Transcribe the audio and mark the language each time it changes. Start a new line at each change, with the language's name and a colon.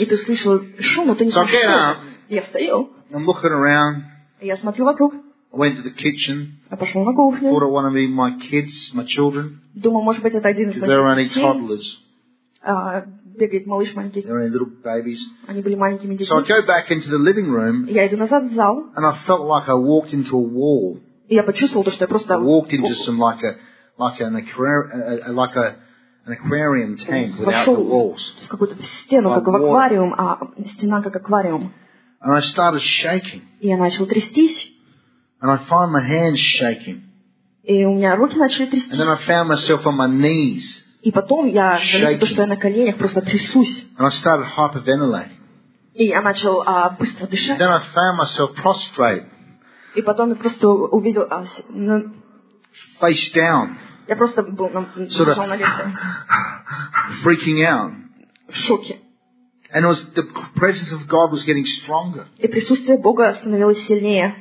Russian: И ты слышал шум, но ты не знаешь, что это. Я встаю.
English: I'm looking around.
Russian: Я смотрю вокруг.
English: I went to the kitchen.
Russian: Я пошел на кухню.
English: Thought it might be my kids, my children.
Russian: Думал, может быть, это один из моих детей.
English: They're only toddlers.
Russian: Бегает малыш маленький.
English: They're only little babies.
Russian: Они были маленькими детьми.
English: So I go back into the living room.
Russian: Я иду назад в зал.
English: And I felt like I walked into a wall.
Russian: И я почувствовал то, что я просто
English: walked into some like an aquarium tank without the walls.
Russian: В какую-то стену, как в аквариум, а стена как аквариум.
English: And I started shaking.
Russian: И я начал трястись.
English: And I found my hands shaking.
Russian: И у меня руки начали трястись.
English: And then I found myself on my knees.
Russian: И потом я заметил то, что я на коленях просто трясусь.
English: And I started hyperventilating.
Russian: И я начал быстро дышать.
English: And then I found myself prostrate.
Russian: И потом я просто увидел
English: face down.
Russian: Я просто был
English: sort of
Russian: на лице.
English: Freaking out.
Russian: В шоке.
English: And it was the presence of God was getting stronger.
Russian: И присутствие Бога становилось сильнее.